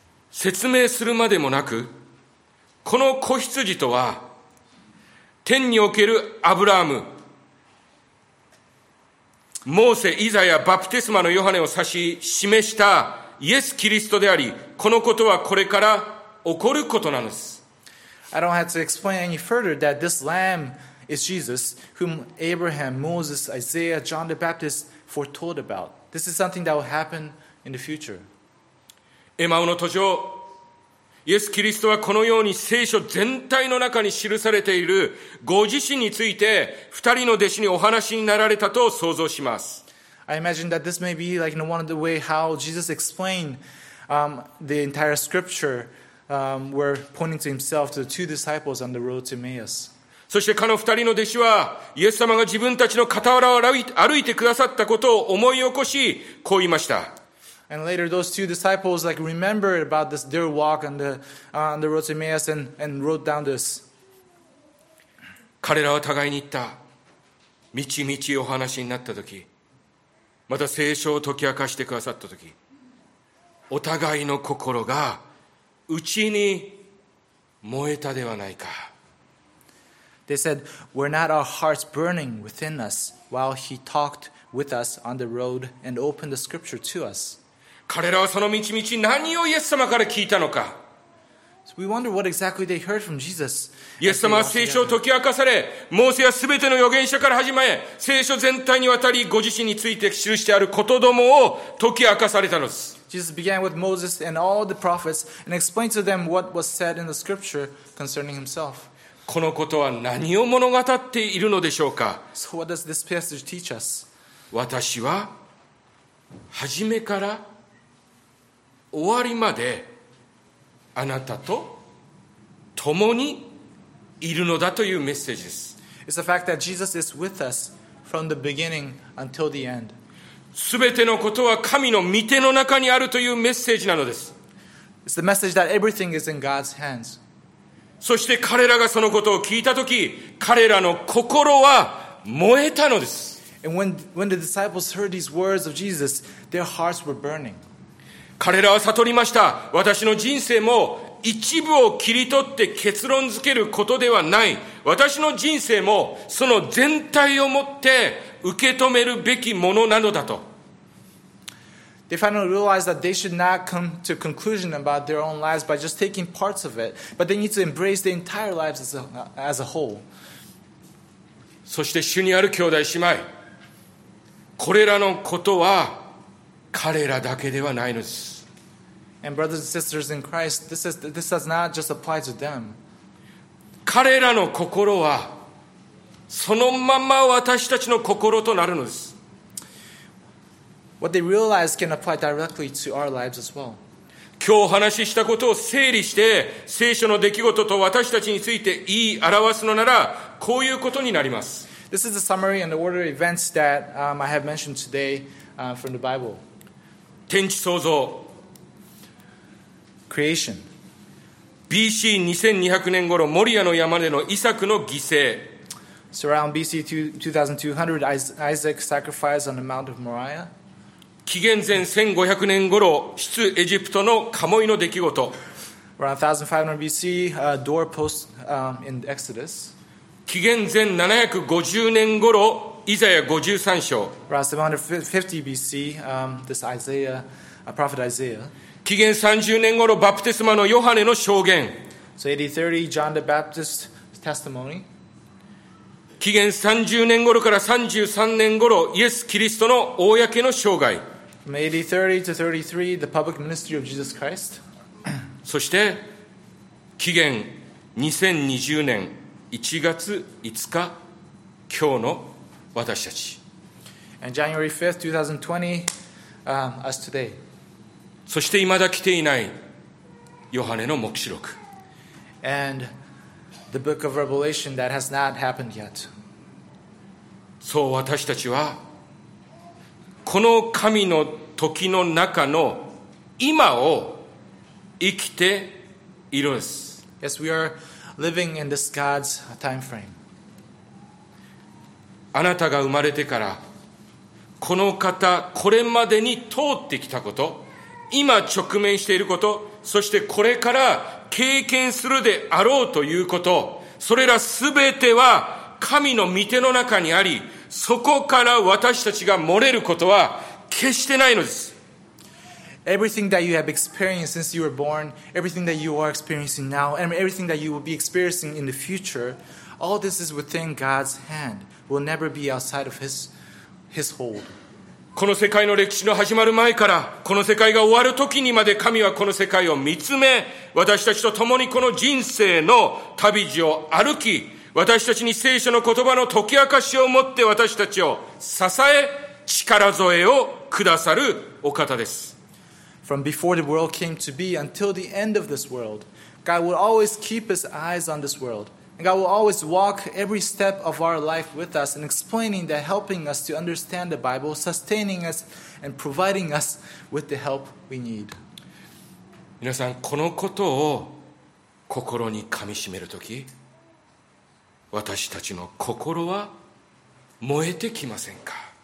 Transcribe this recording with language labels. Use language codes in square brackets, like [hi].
[ja] 説明するまでもなく、この子羊とは天におけるアブラハム、モーセ、イザヤ、バプテスマのヨハネを指し示したイエス・キリストであり、このことはこれから起こることなんです。 [en] I don't have to explain any further that this lamb is Jesus, whom Abraham, Moses, Isaiah, John the Baptist foretold about. This is something that will happen in the future. [ja] エマオの途上。イエス・キリストはこのように聖書全体の中に記されているご自身について二人の弟子にお話になられたと想像します。 [en] I imagine that this may be like one of the way how Jesus explained the entire scripture were pointing to himself to the two disciples on the road to Emmaus. [ja] そして彼の二人の弟子はイエス様が自分たちの傍らを歩いてくださったことを思い起こしこう言いました。 [en] And later, those two disciples like remembered about this their walk on the road to Emmaus and wrote down this. [ja] 彼らは互いに言った。みちみちお話になったとき、また聖書を解き明かしてくださったとき、お互いの心がうちに燃えたではないか。 [en] They said, "Were not our hearts burning within us while he talked with us on the road and opened the scripture to us?" [ja] 彼らはその道々何をイエス様から聞いたのか。 [en] So we wonder what exactly they heard from Jesus. [ja] イエス様は聖書を解き明かされ、モーセはすべての預言者から始まり、聖書全体にわたりご自身について記してあることどもを解き明かされたのです。 [en] Jesus began with Moses and all the prophets and explained to them what was said in the scripture concerning himself. [ja] このことは何を物語っているのでしょうか。 [en] So what does this passage teach us? [ja] 私は初めから終わりまであなたと共にいるのだというメッセージです。 [en] It's the fact that Jesus is with us from the beginning until the end. [ja] 全てのことは神の御手の中にあるというメッセージなのです。 [en] It's the message that everything is in God's hands. [ja] そして彼らがそのことを聞いたとき、彼らの心は燃えたのです。 [en] And when the disciples heard these words of Jesus, their hearts were burning. [ja] 彼らは悟りました。私の人生も一部を切り取って結論付けることではない。私の人生もその全体をもって受け止めるべきものなのだと。 [en] They finally realized that they should not come to a conclusion about their own lives by just taking parts of it, but they need to embrace the entire lives as a whole. [ja] そして主にある兄弟姉妹、これらのことは彼らだけではないのです。 [en] And brothers and sisters in Christ, this does not just apply to them. [ja] 彼らの心はそのまま私たちの心となるのです。 [en] What they realize can apply directly to our lives as well. [ja] 今日お話ししたことを整理して、聖書の出来事と私たちについて言い表すのなら、こういうことになります。 [en] This is the summary and the order of events that I have mentioned today from the Bible. [ja] 天地創造。 [en] Creation. [ja] BC 2200年頃、モリアの山でのイサクの犠牲。 [en] So around BC 2200, Isaac sacrificed on the Mount of Moriah. [ja] 紀元前1500年頃、出エジプトのカモイの出来事。 [en] Around 1500 BC, doorpost in Exodus. [ja] 紀元前750年頃、イザヤ53章。 [en] Around 750 BC, this Isaiah, prophet Isaiah. [ja] 紀元30年頃、バプテスマのヨハネの証言。 [en] So AD 30, John the Baptist's testimony. [ja] 紀元30年頃から33年頃、イエス・キリストの公の生涯。 [en] From AD 30 to 33, the public ministry of Jesus Christ. [ja] そして、紀元2020年1月5日、今日の私たち。 [en] And January 5th, 2020, us today. [ja] そして、未だ来ていない、ヨハネの黙示録。 [en] And the book of Revelation that has not happened yet. [ja] そう私たちはこの神の時の中の今を生きているんです。 [en] Yes, we are living in this God's time frame. [ja] あなたが生まれてからこの方これまでに通ってきたこと、今直面していること、そしてこれから経験するであろうということ、それらすべては神の御手の中にあり、そこから私たちが漏れることは決してないのです。 [en] Everything that you have experienced since you were born, everything that you are experiencing now, and everything that you will be experiencing in the future, all this is within God's hand, will never be outside of his hold. [ja] この世界の歴史の始まる前から、この世界が終わる時にまで神はこの世界を見つめ、私たちと共にこの人生の旅路を歩き、私たちに聖書の言葉の解き明かしを持って私たちを支え、力添えをくださるお方です。 [en] From before the world came to be until the end of this world, God will always keep his eyes on this world. And God will always walk every step of our life with us and explaining that helping us to understand the Bible, sustaining us and providing us with the help we need. [ja] 皆さん、このことを心にかみしめるとき、私たちの心は燃えてきませんか。